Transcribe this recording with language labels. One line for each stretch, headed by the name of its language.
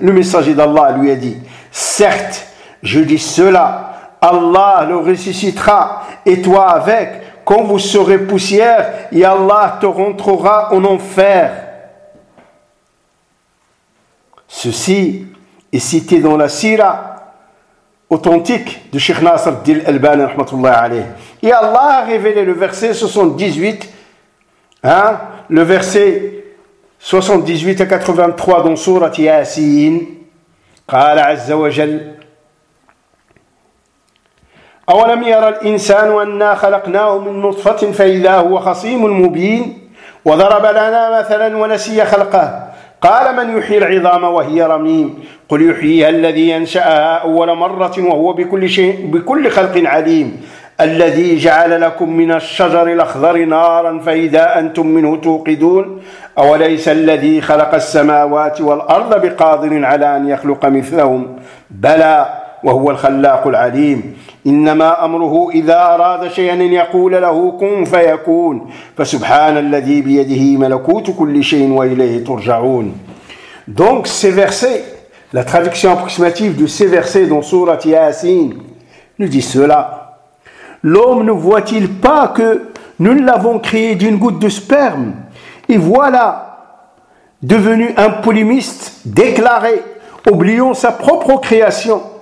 French: Le messager d'Allah lui a dit, « Certes, je dis cela, Allah le ressuscitera, et toi avec, quand vous serez poussière, et Allah te rentrera en enfer. » Ceci est cité dans la sira authentique de Cheikh Nasr Dil Albani, rahmatullahi alayhi. Et Allah a révélé le verset 78, hein, le verset 78 à 83 dans Sourate Yasin.
Arabic: Qala Azza wa Jal. أولم يرى الإنسان أنا خلقناه من نطفة فإذا هو خصيم مبين وضرب لنا مثلا ونسي خلقه قال من يحيي العظام وهي رميم قل يحييها الذي أنشأها أول مرة وهو بكل شيء بكل خلق عليم الذي جعل لكم من الشجر الأخضر نارا فإذا أنتم منه توقدون أوليس الذي خلق السماوات والأرض بقادر على أن يخلق مثلهم بلى وهو الخلاق العليم إنما أمره إذا أراد شيئا أن يقول له كن فيكون فسبحان الذي بيده ملكوت كل شيء وإليه ترجعون.
French: Donc ces versets, la traduction approximative de ces versets dans sourate Yasin nous dit cela. L'homme ne voit-il pas que nous l'avons créé d'une goutte de sperme et voilà devenu un polémiste déclaré, oubliant sa propre création.